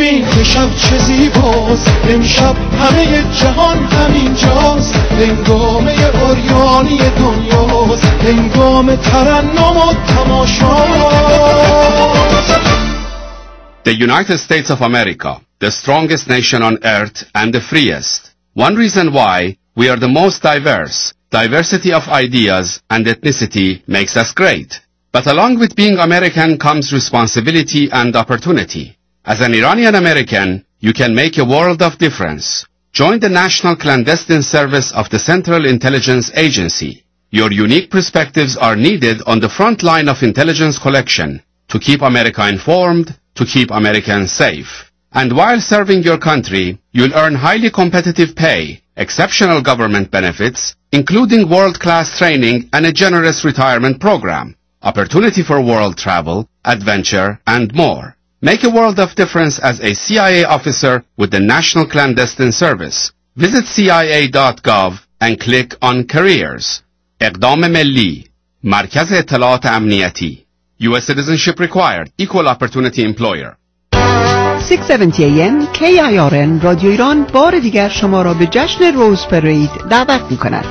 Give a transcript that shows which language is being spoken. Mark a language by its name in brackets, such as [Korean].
[Persian] که شب چه زیباز امشب همه جهان همینجاست هنگامه عریانی دنیاست هنگام ترنم و تماشاست [English] The United States of America, the strongest nation on earth and the freest. One reason why We are the most diverse. Diversity of ideas and ethnicity makes us great. But along with being American comes responsibility and opportunity. As an Iranian American, you can make a world of difference. Join the National Clandestine Service of the Central Intelligence Agency. Your unique perspectives are needed on the front line of intelligence collection to keep America informed, to keep Americans safe. And while serving your country, you'll earn highly competitive pay, exceptional government benefits, including world-class training and a generous retirement program, opportunity for world travel, adventure, and more. Make a world of difference as a CIA officer with the National Clandestine Service. Visit CIA.gov and click on Careers. [Persian] اقدام ملی مرکز اطلاعات امنیتی U.S. [English] Citizenship Required Equal Opportunity Employer [Persian] 670 AM KIRN رادیو ایران بار دیگر شما را به جشن روز پرید دعوت می کند.